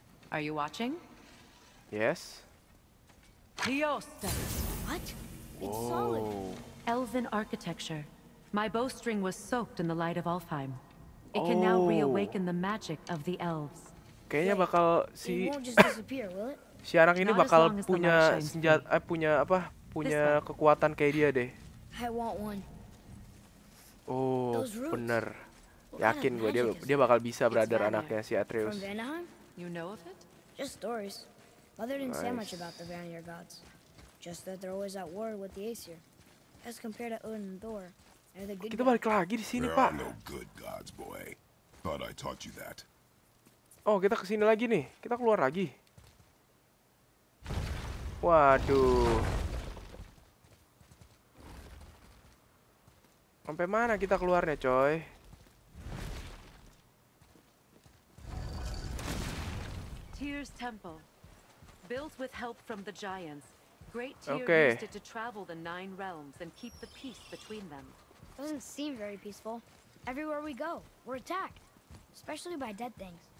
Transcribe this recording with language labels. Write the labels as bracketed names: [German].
[English] Are you watching? Yes. Hiosta. What? It's Whoa. Solid. Elven architecture. My bowstring was soaked in the light of Alfheim. It can now reawaken the magic of the elves. [Indonesian] Kayaknya bakal si si anak ini bakal punya senjata, punya apa, punya kekuatan kayak dia deh. Oh, bener. Yakin gue dia bakal bisa, brother, anaknya si Atreus. [English] You know of it? Just stories. Mother didn't say much about the Vanir gods. Just that they're always at war with the Aesir. As compared to Odin and Thor, they're the good. [Indonesian] Kita balik lagi di sini, Pak. [English] There are no good gods, boy. Thought I taught you that. [Indonesian] Oh, kita kesini lagi nih. Kita keluar lagi. Waduh. Sampai mana kita keluarnya, coy? [English] Ogre's temple, built with help from the giants. Great Tyr used it to travel the nine realms and keep the peace between them. Doesn't seem very peaceful. Everywhere we go, we're attacked, especially by dead things.